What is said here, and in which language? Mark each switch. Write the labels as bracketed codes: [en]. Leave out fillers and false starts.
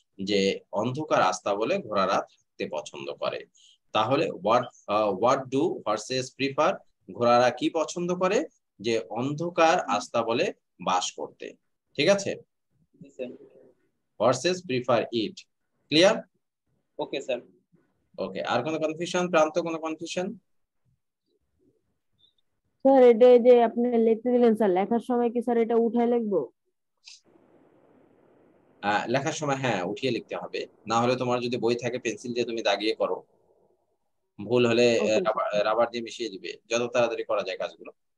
[bn] যে অন্ধকার রাস্তা বলে ঘোড়ারা থাকতে পছন্দ করে. [en] তাহলে what do horses prefer? [bn] ঘোড়ারা কি পছন্দ করে? যে অন্ধকার রাস্তা বলে বাস করতে. ঠিক আছে, [en] horses prefer it. Clear? Okay, sir. [bn] Okay, আর কোনো কনফিউশন প্রান্ত? কোনো কনফিউশন স্যার? এটা যে আপনি লিখতে দিলেন স্যার, লেখার সময় কি স্যার এটা উঠায় লিখবো? লেখার সময় হ্যাঁ উঠিয়ে লিখতে হবে, না হলে তোমার যদি বই থাকে পেন্সিল দিয়ে তুমি দাগিয়ে করো, ভুল হলে রাবার দিয়ে মিশিয়ে দিবে, যত তাড়াতাড়ি করা যায় কাজগুলো.